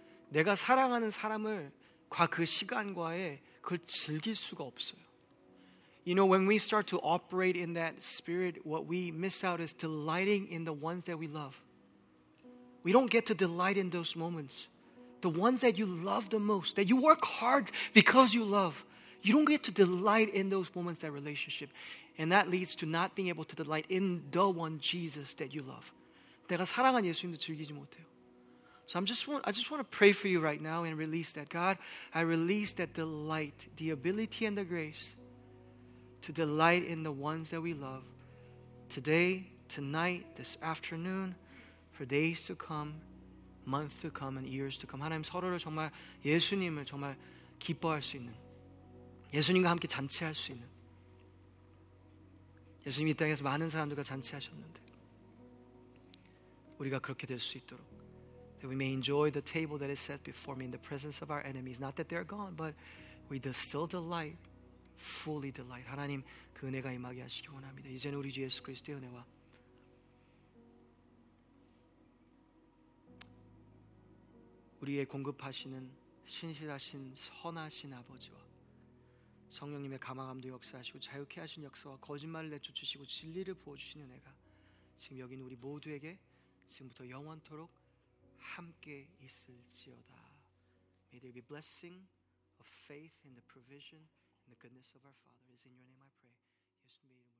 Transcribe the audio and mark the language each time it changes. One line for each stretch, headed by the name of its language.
Korean: 내가 사랑하는 사람을 과 그 시간과에 그걸 즐길 수가 없어요.
English: You know, when we start to operate in that spirit, what we miss out is delighting in the ones that we love. We don't get to delight in those moments. The ones that you love the most, that you work hard because you love, you don't get to delight in those moments, that relationship. And that leads to not being able to delight in the one Jesus that you love.
Korean: 내가 사랑한 예수님도 즐기지 못해요.
English: So I just want to pray for you right now and release that. God, I release that delight, the ability and the grace to delight in the ones that we love today, tonight, this afternoon, for days to come, months to come, and years to come.
Korean: 하나님 서로를 정말 예수님을 정말 기뻐할 수 있는 예수님과 함께 잔치할 수 있는 예수님이 이 땅에서 많은 사람들과 잔치하셨는데 우리가 그렇게 될 수 있도록
English: that we may enjoy the table that is set before me in the presence of our enemies. Not that they're gone, but we still delight, fully delight.
Korean: 하나님, 그 은혜가 임하게 하시기 원합니다. 이제는 우리 주 예수 그리스도의 은혜와 우리의 공급하시는 신실하신 선하신 아버지와 성령님의 감화감도 역사하시고 자유케 하신 역사와 거짓말을 내쫓으시고 진리를 부어주시는 은혜가 지금 여기 있는 우리 모두에게 지금부터 영원토록 함께 있을지어다.
English: May there be blessing of faith in the provision and the goodness of our Father. It is in your name I pray. Yes, may